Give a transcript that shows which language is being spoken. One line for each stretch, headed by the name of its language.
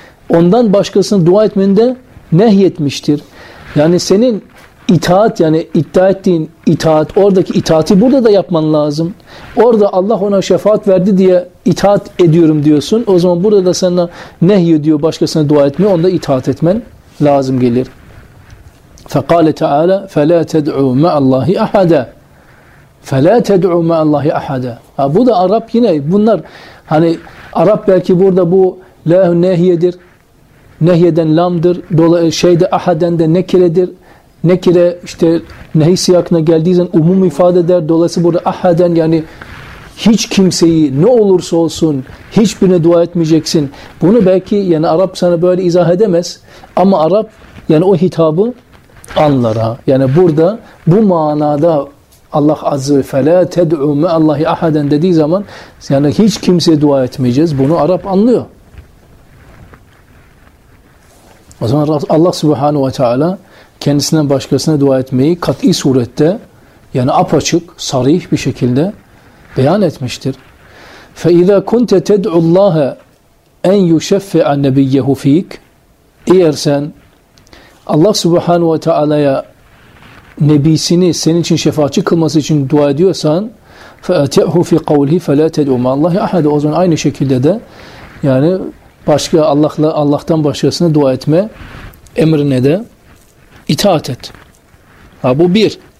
Turkish: Ondan başkasına dua etmeni de nehyetmiştir. Yani senin itaat, yani iddia ettiğin itaat, oradaki itaati burada da yapman lazım. Orada Allah ona şefaat verdi diye itaat ediyorum diyorsun. O zaman burada da sana nehyediyor, başkasına dua etmiyor. Onda itaat etmen lazım gelir.
Arabic: فَقَالَ تَعَالَى فَلَا تَدْعُوا مَا اللّٰهِ اَحَدًا فَلَا تَدْعُوا مَا اللّٰهِ اَحَدًا
Turkish: Bu da Arap yine. Bunlar hani Arap belki burada bu la nehyedir. Nehyeden lamdır. Şeyde aheden de nekiredir. Nekire işte nehi siyakına geldiği zaman umum ifade eder. Dolayısıyla burada aheden yani hiç kimseyi ne olursa olsun hiçbirine dua etmeyeceksin. Bunu belki yani Arap sana böyle izah edemez. Ama Arap yani o hitabı anlar ha. Yani burada bu manada Allah azze ve
Arabic: fele ted'u me Allahi aheden
Turkish: dediği zaman yani hiç kimseye dua etmeyeceğiz. Bunu Arap anlıyor. O zaman Allah subhanahu ve teala kendisinden başkasına dua etmeyi kat'i surette yani apaçık, sarih bir şekilde beyan etmiştir.
Arabic: فَاِذَا كُنْتَ تَدْعُ اللّٰهَ اَنْ يُشَفِّعَ النَّبِيَّهُ ف۪يكَ
Turkish: Eğer sen Allah Subhanahu ve Teala'ya nebisini senin için şefaatçi kılması için dua ediyorsan
Arabic: fe'tehu fi kavlihi fela ted'u ma Allah ahad.
Turkish: O zaman aynı şekilde de yani başka Allah'la Allah'tan başkasına dua etme emrine de itaat et. Ha bu bir.